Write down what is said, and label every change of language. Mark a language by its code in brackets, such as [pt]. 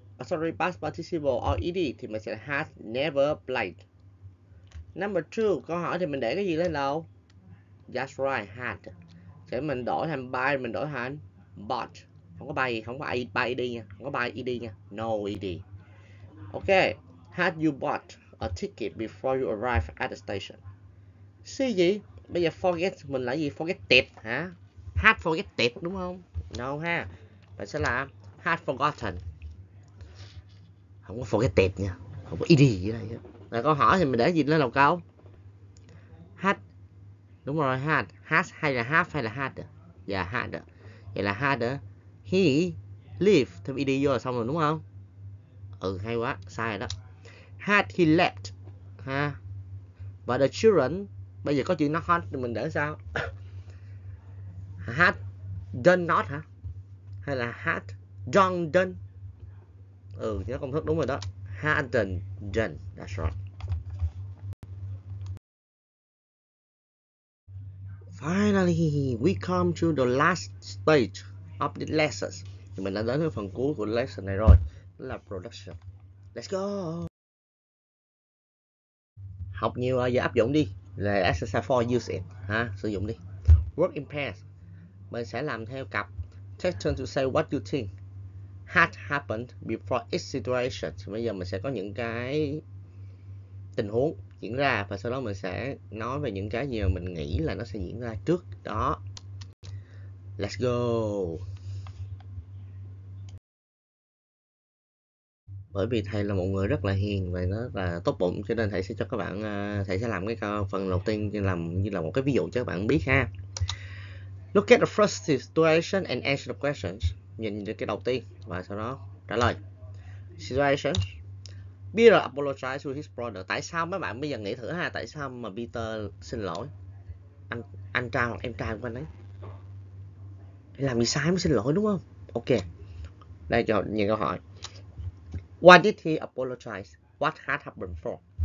[en] Sorry, past participle or ed [vi] thì mình sẽ [en] had never played. Number two, [vi] câu hỏi thì mình để cái gì lên đầu? [en] That's right, had. [vi] Sẽ mình đổi thành by, mình đổi thành but. Không có by, không có by ed nha, không có by ed nha. [en] No ed. Ok, had you bought a ticket before you arrived at the station? [vi] See gì? Bây giờ forget mình là gì? Forget tiệp hả? Had forget tiệp đúng không? No ha. Mình sẽ là had forgotten. Không có forget tiệp nha. Không có ed gì đây. Là câu hỏi thì mình để gì lên đầu câu? Had. Đúng rồi, had. Has hay là have hay là had? Dạ, had. Vậy là had. [en] He left. [vi] Thêm ed vô là xong rồi đúng không? Ừ, hay quá. Sai rồi đó. [en] Had he left. [vi] Ha. Và [en] the children. [vi] Bây giờ có chữ not had thì mình để sao? Had done not hả? Hay là had done done? Ừ, nhớ công thức đúng rồi đó. [en] Hadn't done. That's right. Finally, we come to the last stage of the lessons. [vi] Thì mình đã đến với phần cuối của lesson này rồi. Đó là production. [en] Let's go. [vi] Học nhiều giờ áp dụng đi. Là exercise 4, [en] use it. [vi] Ha, sử dụng đi. [en] Work in pairs. [vi] Mình sẽ làm theo cặp. [en] Take turn to say what you think had happened before each situation. [vi] Bây giờ mình sẽ có những cái tình huống diễn ra và sau đó mình sẽ nói về những cái gì mà mình nghĩ là nó sẽ diễn ra trước đó. [en] Let's go. [vi] Bởi vì thầy là một người rất là hiền và rất là tốt bụng cho nên thầy sẽ cho các bạn, thầy sẽ làm cái phần đầu tiên làm như là một cái ví dụ cho các bạn biết ha. [en] Look at the first situation and answer the questions. [vi] Nhìn cái đầu tiên và sau đó trả lời. Situation. [en] Peter apologized to his brother. [vi] Tại sao mấy bạn bây giờ nghĩ thử ha, tại sao mà Peter xin lỗi anh trai hoặc em trai của anh ấy? Làm gì sai mới xin lỗi đúng không? [en] Ok. [vi] Đây cho nhìn câu hỏi. [en] Why did he apologize? What had happened before?